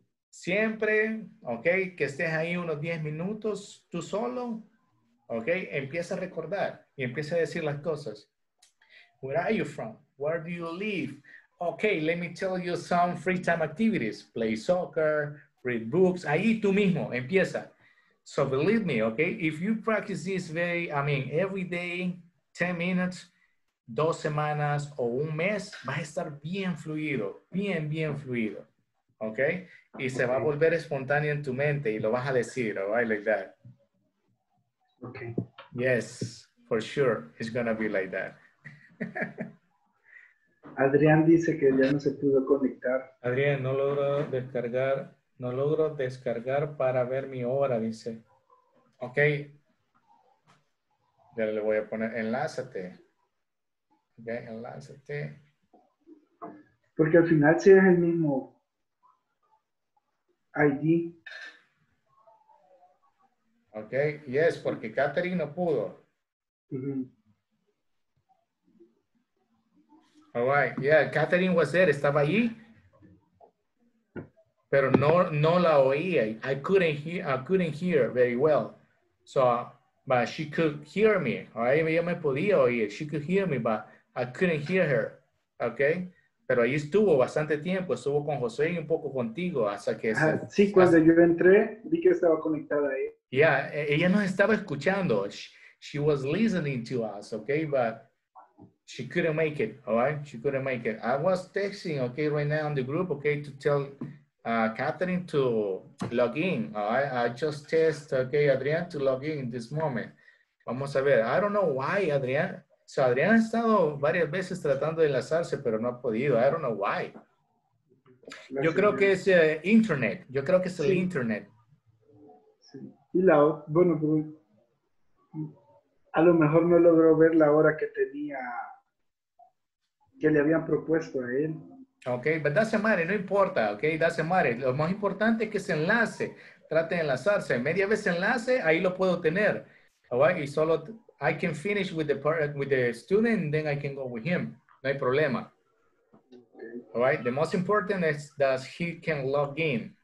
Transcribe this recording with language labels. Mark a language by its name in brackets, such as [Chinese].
[Spanish] Siempre, okay, que estés ahí unos 10 minutos, tú solo, okay? Empieza a recordar y empieza a decir las cosas. [English] Where are you from? Where do you live? Okay, let me tell you some free time activities. Play soccer, read books. [Spanish] Ahí tú mismo, empieza. [English] So believe me, okay? If you practice this every day, 10 minutes, [Spanish] 2 semanas o un mes, va a estar bien fluido, bien, bien fluido. Okay? Y se va a volver espontáneo en tu mente y lo vas a decir, [English] all right, like that. Okay. Yes, for sure, it's gonna be like that. [Spanish] Adrián dice que ya no se pudo conectar. Adrián, no logro descargar para ver mi hora, dice. Ok. Ya le voy a poner, enlázate. Ok, enlázate. Porque al final sí es el mismo ID. Ok, yes, porque Catherine no pudo. Uh-huh. [English] All right. Yeah, Catherine was there. [Spanish] Estaba allí. Pero no la oía. [English] I couldn't hear very well. So, but she could hear me. All right. [Spanish] Ella me podía oír. [English] She could hear me, but I couldn't hear her. [Spanish] Okay. Pero ahí estuvo bastante tiempo. Estuvo con José y un poco contigo hasta que... cuando yo entré, vi que estaba conectada ahí. [English] Yeah, [Spanish] ella nos estaba escuchando. [English] She was listening to us, okay, but... She couldn't make it, all right? She couldn't make it. I was texting, okay, right now on the group, okay, to tell Catherine to log in, all right? I just test, okay, Adrián to log in this moment. [Spanish] Vamos a ver. [English] I don't know why, Adrián. [Spanish] So, Adrián ha estado varias veces tratando de enlazarse, pero no ha podido. [English] I don't know why. [Spanish] Yo creo que es internet. Yo creo que es el internet. Sí. Y la otra, bueno, a lo mejor no logró ver la hora que tenía... que le habían propuesto a él. [English] Ok, but that's a matter, [Spanish] no importa, [English] ok, that's a matter. [Spanish] Lo más importante es que se enlace, trate de enlazarse. Media vez se enlace, ahí lo puedo tener. Right? Y solo [English] I can finish with the part with the student, and then I can go with him. [Spanish] No hay problema. [English] Okay. All right. The most important is that he can log in.